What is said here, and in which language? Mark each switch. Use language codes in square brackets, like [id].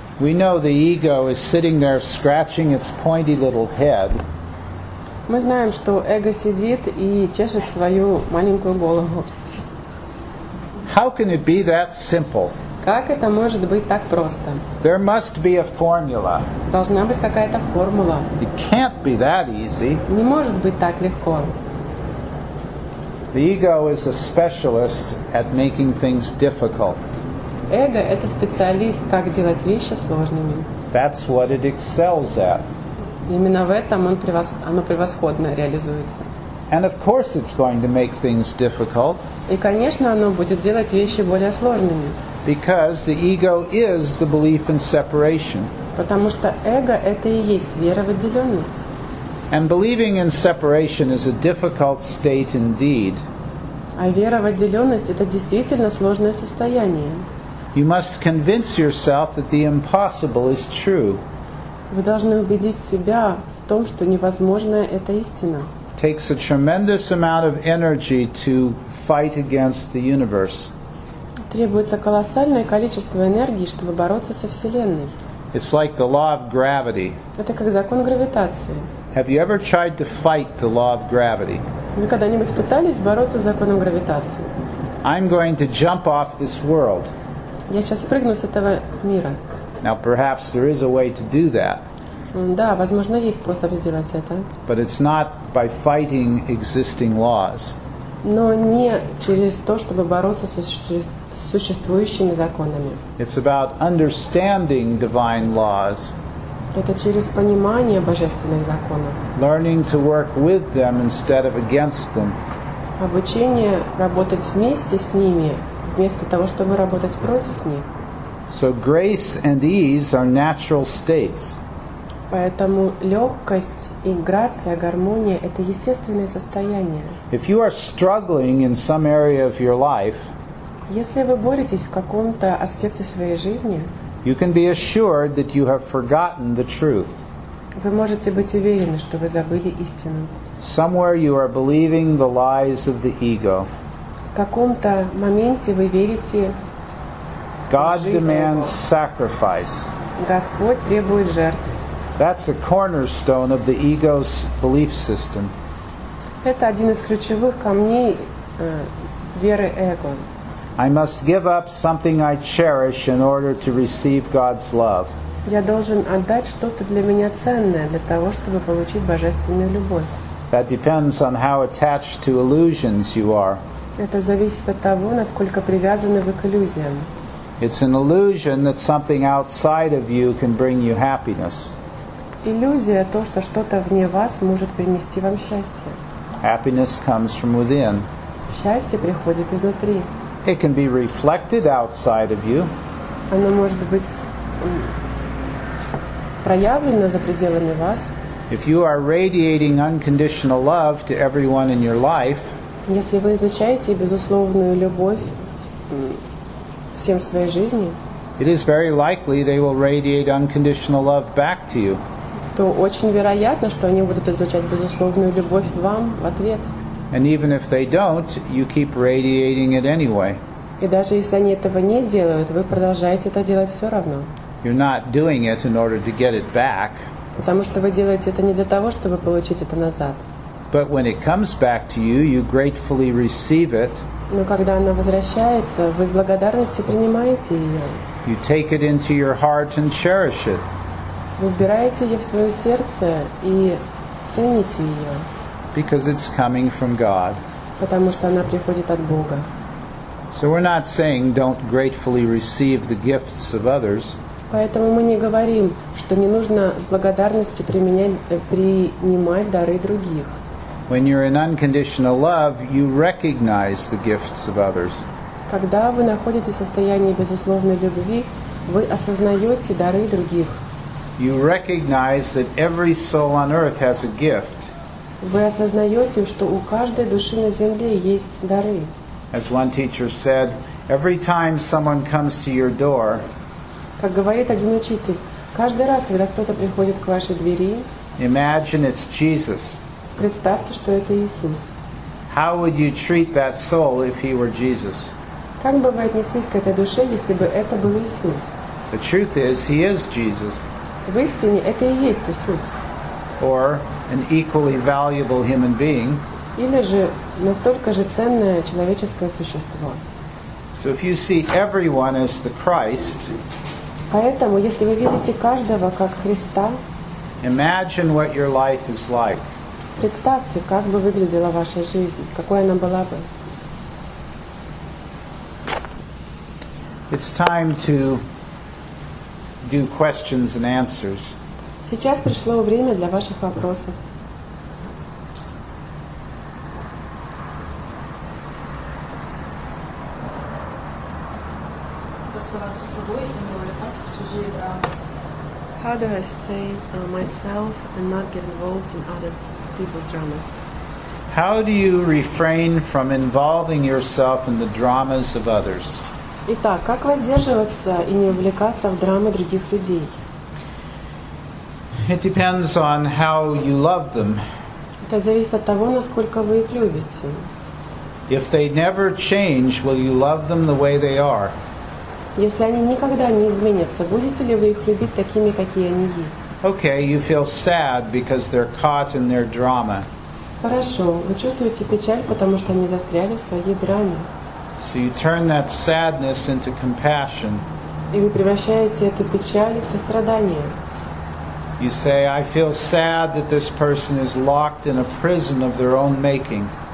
[en] We know the ego is sitting there scratching its pointy little head. [ru] Мы знаем, что эго сидит и чешет свою маленькую голову. [en] How can it be that simple? [ru] Как это может быть так просто? [en] There must be a formula. [ru] Должна быть какая-то формула. [en] It can't be that easy. [ru] Не может быть так легко. [en] The ego is a specialist at making things difficult. [ru] Эго – это специалист, как делать вещи сложными. [en] That's what it excels at. [ru] Именно в этом оно превосходно реализуется. [en] And of course it's going to make things difficult. [ru] И, конечно, оно будет делать вещи более сложными. [en] Because the ego is the belief in separation. [ru] Потому что эго – это и есть вера в отделенность. [en] And believing in separation is a difficult state indeed. [ru] А вера в отделенность – это действительно сложное состояние. [en] You must convince yourself that the impossible is true. [ru] Вы должны убедить себя в том, что невозможное – это истина. [en] It takes a tremendous amount of energy to fight against the universe. [ru] Требуется колоссальное количество энергии, чтобы бороться со Вселенной. [en] It's like the law of gravity. [ru] Это как закон гравитации. [en] Have you ever tried to fight the law of gravity? [ru] Вы когда-нибудь пытались бороться с законом гравитации? [en] I'm going to jump off this world. [ru] Я сейчас прыгну с этого мира. [en] Now perhaps there is a way to do that. [ru] Да, возможно, есть способ сделать это. [en] But it's not by fighting existing laws. [ru] но не через то, чтобы бороться с существующими законами. [en] It's about understanding divine laws. [ru] Это через понимание божественных законов. [en] Learning to work with them instead of against them. [ru] Обучение работать вместе с ними, вместо того, чтобы работать против них. [en] So grace and ease are natural states. [ru] Поэтому легкость и грация, гармония – это естественное состояние. [en] If you are struggling in some area of your life, [ru] если вы боретесь в каком-то аспекте своей жизни, [en] you can be assured that you have forgotten the truth. [ru] Вы можете быть уверены, что вы забыли истину. [en] Somewhere you are believing the lies of the ego. [ru] В каком-то моменте вы верите в [en] God demands sacrifice. [ru] Господь требует жертв. [en] That's a cornerstone of the ego's belief system. [ru] Это один из ключевых камней веры эго. [en] I must give up something I cherish in order to receive God's love. [ru] Я должен отдать что-то для меня ценное для того, чтобы получить божественную любовь. [en] That depends on how attached to illusions you are. [ru] Это зависит от того, насколько привязаны вы к иллюзиям. [en] It's an illusion that something outside of you can bring you happiness. [ru] Иллюзия то, что что-то вне вас может принести вам счастье. [en] Happiness comes from within. [ru] Счастье приходит изнутри. [en] It can be reflected outside of you. [ru] Оно может быть проявлено за пределами вас. [en] If you are radiating unconditional love to everyone in your life, [ru] если вы излучаете безусловную любовь всем в своей жизни, [en] it is very likely they will radiate unconditional love back to you. [ru] То очень вероятно, что они будут излучать безусловную любовь вам в ответ. [en] And even if they don't, you keep radiating it anyway. [ru] И даже если они этого не делают, вы продолжаете это делать все равно. [en] You're not doing it in order to get it back. [ru] Потому что вы делаете это не для того, чтобы получить это назад. [en] But when it comes back to you, you gratefully receive it. [ru] Но когда она возвращается, вы с благодарностью принимаете ее. [en] You take it into your heart and cherish it. [ru] Вы вбираете ее в свое сердце и цените ее. [en] Because it's coming from God. [ru] Потому что она приходит от Бога. [en] So we're not saying don't gratefully receive the gifts of others. [ru] Поэтому мы не говорим, что не нужно с благодарностью принимать дары других. [en] When you're in unconditional love, you recognize the gifts of others. [ru] Когда вы находитесь в состоянии безусловной любви, вы осознаете дары других. [en] You recognize that every soul on earth has a gift. [ru] Вы осознаете, что у каждой души на земле есть дары. [en] As one teacher said, every time someone comes to your door, [ru] как говорит один учитель, каждый раз, когда кто-то приходит к вашей двери, [en] imagine it's Jesus. [ru] Представьте, что это Иисус. [en] How would you treat that soul if he were Jesus? [ru] Как бы вы отнеслись к этой душе, если бы это был Иисус? [en] The truth is, he is Jesus. [ru] В истине это и есть Иисус. [en] Or an equally valuable human being. [ru] Или же настолько же ценное человеческое существо. [en] So if you see everyone as the Christ, [ru] поэтому если вы видите каждого как Христа, [en] imagine what your life is like. [ru] Представьте, как бы выглядела ваша жизнь, какой она была бы. [en] It's time to do questions and answers. [ru] Сейчас пришло время для ваших вопросов. Оставаться собой и не вовлекаться в чужие драмы. [en] How do I stay myself and not get involved in others? People's dramas. How do you refrain from involving yourself in the dramas of others? [ru] Итак, как воздерживаться и не увлекаться в драмы других людей? [en] It depends on how you love them. [ru] Это зависит от того, насколько вы их любите. [en] If they never change, will you love them the way they are? [ru] Если они никогда не изменятся, будете ли вы их любить такими, какие они есть? [en] Okay, you feel sad because they're caught in their drama. [ru] Хорошо, вы чувствуете печаль, потому что они застряли в своей драме. [en] So you turn that sadness into compassion. [ru] И вы превращаете эту печаль в сострадание. [en] You say, I feel sad that this person is locked in a prison of their own making.